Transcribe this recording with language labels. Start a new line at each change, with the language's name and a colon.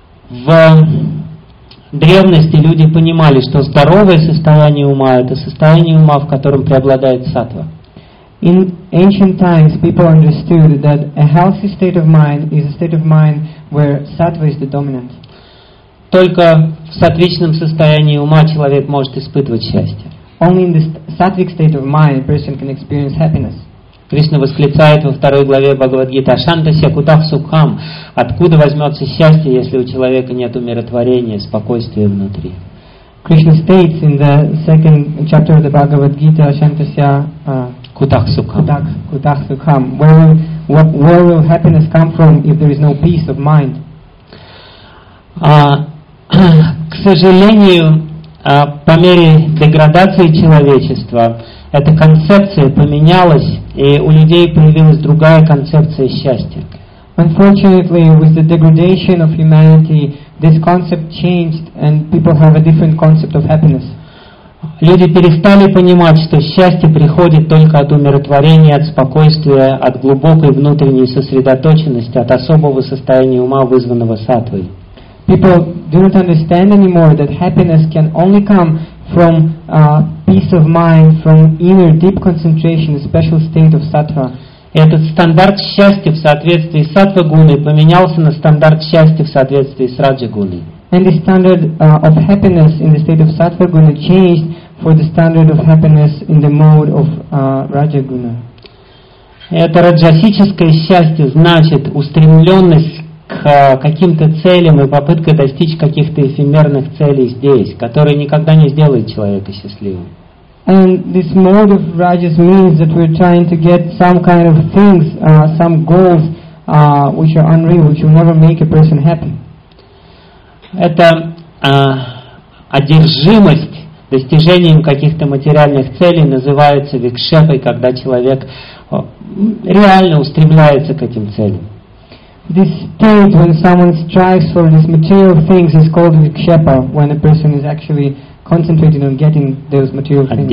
Russian: В древности люди понимали, что здоровое состояние ума – это состояние ума, в котором преобладает сатва.
English: In ancient times, people understood that a healthy state of mind is a state of mind where sattva is the dominant.
Russian: Только в сатвичном состоянии ума человек может испытывать счастье.
English: Only in the sattvic state of mind, a person can experience happiness.
Russian: Кришна восклицает во второй главе Бхагавад-гиты:
Sanskrit: «Ашантасья кутах сукхам».
Russian: Откуда возьмется счастье, если у человека нет умиротворения, спокойствия внутри?
English: Krishna states in the second chapter of the Bhagavad-gita,
Sanskrit: «Ашантасья Kutak sukham.
English: Where will happiness come from if there is no peace of mind?
Russian: К сожалению, по мере деградации человечества эта концепция поменялась, и у людей появилась другая концепция счастья.
English: Unfortunately, with the degradation of humanity, this concept changed, and people have a different concept of happiness.
Russian: Люди перестали понимать, что счастье приходит только от умиротворения, от спокойствия, от глубокой внутренней сосредоточенности, от особого состояния ума, вызванного сатвой.
English: People do not understand anymore that happiness can only come from peace of mind, from inner deep concentration, a special state of sattva.
Russian: Этот стандарт счастья в соответствии с сатва-гуной поменялся на стандарт счастья в соответствии с раджа-гуной.
English: And the standard of happiness in the state of sattva-guna changed for the standard of happiness in the mode of Rajaguna.
Russian: Это раджасическое счастье значит устремленность к каким-то целям и попытка достичь каких-то эфемерных целей здесь, которые никогда не сделают человека счастливым.
English: And this mode of rajas means that we're trying to get some kind of things, some goals, which are unreal, which will never make a person happy.
Russian: Это одержимость достижением каких-то материальных целей называется викшепой, когда человек реально устремляется к этим целям.
English: This state when someone strives for these material things is called vikshepa, when a person is actually concentrating on getting those material things.